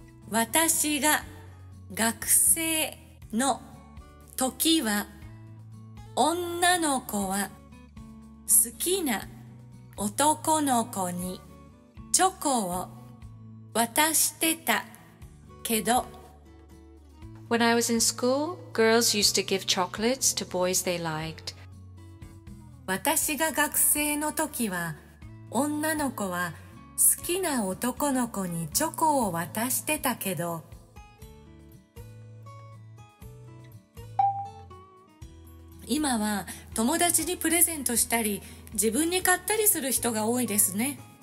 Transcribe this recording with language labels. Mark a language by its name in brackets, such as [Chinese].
[Japanese] 私が学生の時は女の子は好きな男の子にチョコを渡してたけど。 [English] When I was in school, girls used to give chocolates to boys they liked. [Japanese] 私が学生の時は女の子は好きな男の子にチョコを渡してたけど、今は友達にプレゼントしたり自分に買ったりする人が多いですね。